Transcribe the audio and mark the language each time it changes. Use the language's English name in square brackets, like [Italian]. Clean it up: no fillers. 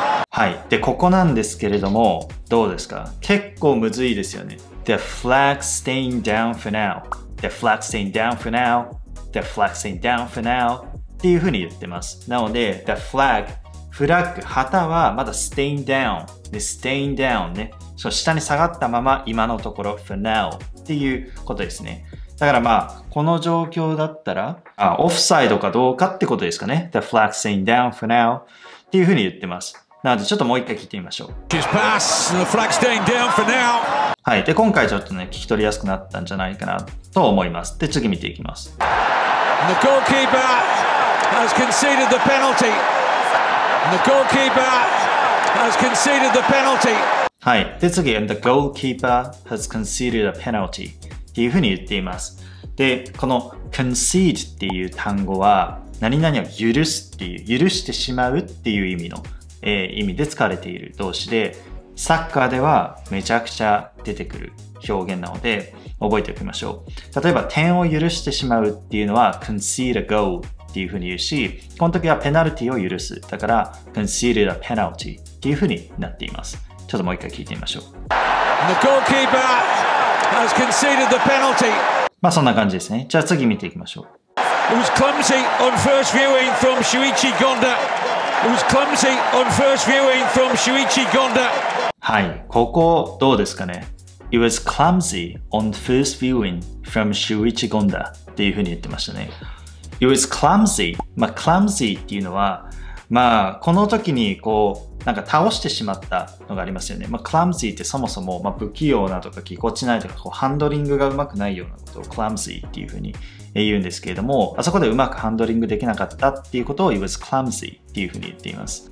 [Japanese] はい。で、ここなんですけれども、どうですか？結構むずいですよね。 [English] The flag staying down for now. The flag staying down for now. The flag staying down for now. [Japanese] っていうふうに言ってます。なので、the flag, フラッグ、旗はまだ staying down. で、staying down ね。そう、下に下がったまま今のところ for now っていうことですね。だからまあこの状況だったら、あ、オフサイドかどうかってことですかね。 The flag staying down for now っていうふうに言ってます。なのでちょっともう一回聞いてみましょう。 [English] She's passed. The flag staying down for now. [Japanese] はい。で、今回ちょっとね、聞き取りやすくなったんじゃないかなと思います。で、次見ていきます。 [English] The goalkeeper has conceded the penalty. The goalkeeper has conceded the penalty. [Japanese] はい。で、次、 and the goalkeeper has conceded a penalty っていうふうに言っています。で、この concede っていう単語は、何々を許すっていう、許してしまうっていう意味の、意味で使われている動詞で、サッカーではめちゃくちゃ出てくる表現なので、覚えておきましょう。例えば、点を許してしまうっていうのは concede a goal っていうふうに言うし、この時はペナルティを許す。だから、 conceded a penalty っていうふうになっています。ちょっともう一回聞いてみましょう。 [English] The goalkeeper has conceded the penalty. [Japanese] まあそんな感じですね。じゃあ次見ていきましょう。 [English] It was clumsy on first viewing from Shuichi Gonda. It was clumsy on first viewing from Shuichi Gonda. [Japanese] はい、ここどうですかね。 [English] It was clumsy on first viewing from Shuichi Gonda っていうふうに言ってましたね。 It was clumsy. [Japanese] まあ clumsy っていうのは、まあこの時にこう、なんか倒してしまったのがありますよね。まあ、clumsy ってそもそも、まあ、不器用なとか、ぎこちないとか、こう、ハンドリングがうまくないようなことを clumsy っていうふうに言うんですけれども、あそこでうまくハンドリングできなかったっていうことを it was clumsy っていうふうに言っています。